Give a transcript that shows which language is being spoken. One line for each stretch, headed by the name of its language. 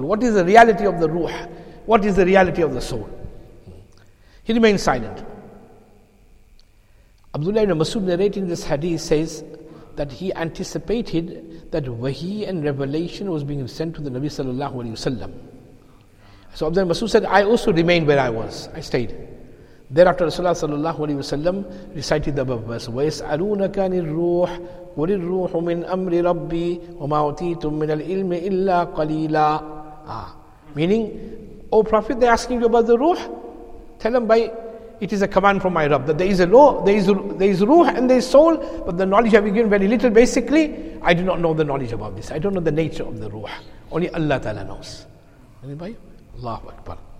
English: What is the reality of the ruh? What is the reality of the soul? He remained silent. Abdullah ibn Mas'ud, narrating this hadith, says that he anticipated that wahi and revelation was being sent to the Nabi sallallahu alayhi wasallam. So Abdullah ibn Mas'ud said, I also remained where I was. I stayed. Thereafter Rasulullah sallallahu alayhi wasallam recited the above verse,
Arabic: وَيَسْأَلُونَكَ عَنِ الرُّوحِ قُلِ الرُّوحُ مِنْ أَمْرِ رَبِّي وَمَا أُوتِيتُم مِنَ الْعِلْمِ إِلَّا قَلِيلًا.
English: Meaning, O Prophet, they're asking you about the ruh. Tell them by, it is a command from my Rabb that there is a law, there is ruh and there is soul, but the knowledge I've been given very little. Basically, I do not know the knowledge about this. I don't know the nature of the ruh. Only Allah Ta'ala knows. Anybody? Allahu Akbar.